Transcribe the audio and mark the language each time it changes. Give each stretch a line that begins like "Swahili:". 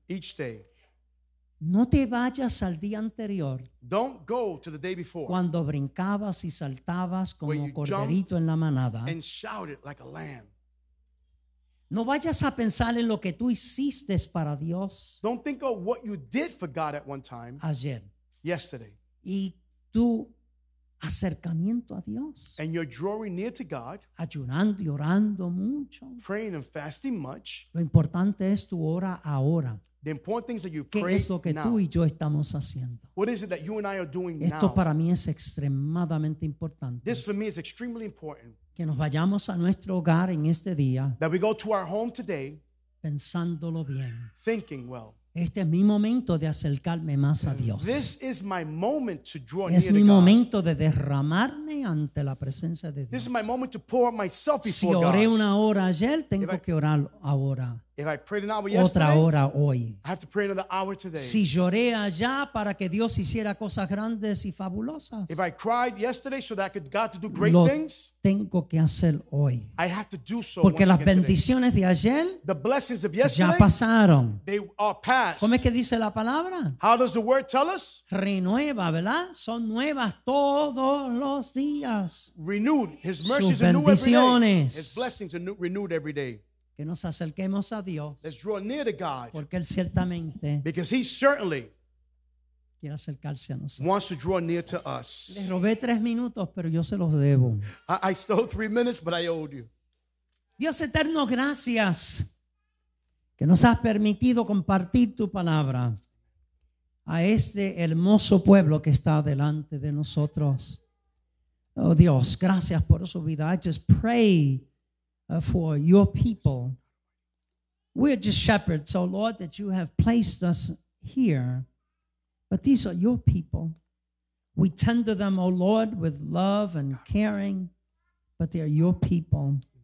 English: Each day.
Spanish: No te vayas al día anterior.
English: Don't go to the day before.
Spanish: Cuando brincabas y saltabas como corderito en la manada.
English: And shouted like a lamb.
Spanish: No vayas a pensar en lo que tú hiciste para Dios.
English: Don't think of what you did for God at one time.
Spanish: Ayer.
English: Yesterday.
Spanish: Y tu acercamiento a Dios.
English: And you're drawing near to God.
Spanish: Ayunando y orando mucho.
English: Praying and fasting much.
Spanish: Lo importante es tu hora ahora.
English: The important things that you pray.
Spanish: ¿Qué es lo que tú y yo estamos haciendo?
English: What is it that you and I are doing
Spanish: now? Esto para mí es extremadamente importante.
English: This for me is extremely important.
Spanish: Que nos vayamos a nuestro hogar en este día.
English: That we go to our home today.
Spanish: Pensándolo bien.
English: Thinking well.
Spanish: Este es mi momento de acercarme más a Dios.
English: This is my moment to draw near to God.
Spanish: Es mi momento de derramarme ante la presencia de Dios.
English: This is my moment to pour myself before God.
Spanish: Si oré una hora ayer, tengo que orar ahora.
English: If I prayed an hour
Spanish: yesterday, otra hora hoy.
English: I have to pray another hour today.
Spanish: Si lloré allá para que Dios hiciera cosas grandes y fabulosas.
English: If I cried yesterday so that I could God to do great things.
Spanish: Tengo que hacer hoy.
English: I have to do so.
Spanish: Porque las bendiciones de ayer,
English: the blessings of yesterday,
Spanish: ya pasaron.
English: They are past.
Spanish: ¿Cómo es que dice la palabra?
English: How does the word tell us?
Spanish: Renueva, ¿verdad? Son nuevas todos los días.
English: Renewed. His mercies
Spanish: sus bendiciones.
English: Are new every day. His blessings are renewed every day.
Spanish: Que nos acerquemos a Dios.
English: Let's draw near to God.
Spanish: Porque Él ciertamente.
English: Because He certainly.
Spanish: Quiere acercarse a nosotros.
English: Wants to draw near to us.
Spanish: Les robé tres minutos, pero yo se los debo.
English: I stole 3 minutes, but I owed you.
Spanish: Dios eterno, gracias. Que nos has permitido compartir tu palabra. A este hermoso pueblo que está delante de nosotros. Oh Dios, gracias por su vida.
English: I just pray. For your people, we are just shepherds, oh Lord, that you have placed us here, but these are your people. We tend to them, oh Lord, with love and caring, but they are your people.